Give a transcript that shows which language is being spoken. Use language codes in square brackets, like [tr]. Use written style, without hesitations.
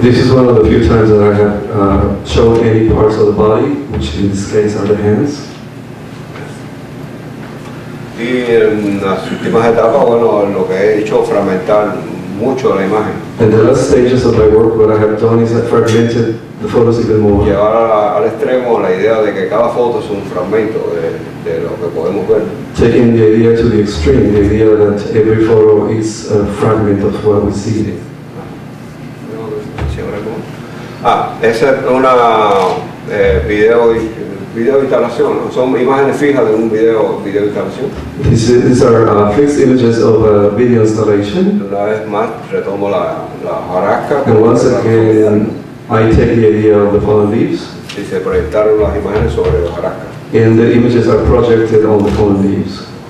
[en] This is one of the few times that I have shown any parts of the body, which in this case are the hands. [es] Y en las últimas etapas, bueno, lo que he hecho es fragmentar mucho la imagen. [en] In the last stages of my work, what I have done is I fragmented the photos even more. [es] Llevar al extremo la idea de que cada foto es un fragmento de lo que podemos ver. [en] Taking the idea to the extreme, the idea that every photo is a fragment of what we see. [es] No, no, no. Ah, esa es una video instalación. Son imágenes fijas de un video instalación. [en] These are fixed images of a video installation. [es] Una vez más retomo la jarasca. [en] And once again, I take the idea of the fallen leaves. [es] Y se proyectaron las imágenes sobre la jarasca. [en] And the images are projected on the fallen leaves.